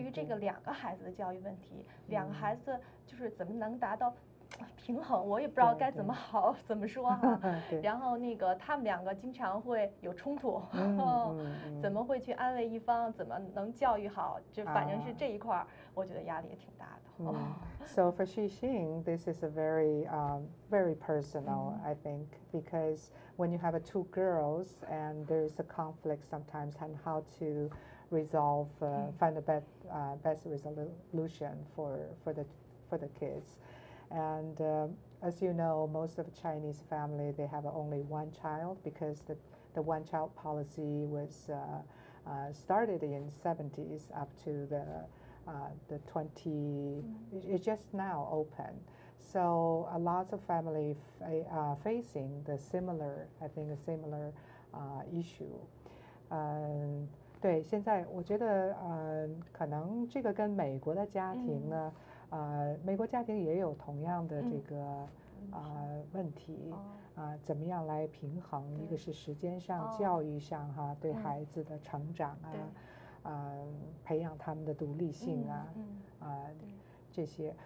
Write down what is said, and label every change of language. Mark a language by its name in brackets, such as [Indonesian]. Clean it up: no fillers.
[Chinese] 于这个两个孩子的教育问题，两个孩子就是怎么能达到平衡，我也不知道该怎么好怎么说哈、啊。然后那个他们两个经常会有冲突，怎么会去安慰一方，怎么能教育好，就反正是这一块我觉得压力也挺大的。 [English] So for Xixing, this is a very, very personal, I think, because when you have a two girls and there is a conflict sometimes on how to resolve, find the best resolution for the kids. And as you know, most of Chinese family, they have only one child because the one child policy was started in 70s up to the 20, it's just now open. So a lot of family facing the similar, I think a similar issue. [Chinese] 对，现在我觉得可能这个跟美国的家庭呢、美国家庭也有同样的这个问题怎么样来平衡，一个是时间上教育上哈，对孩子的成长啊培养他们的独立性啊这些。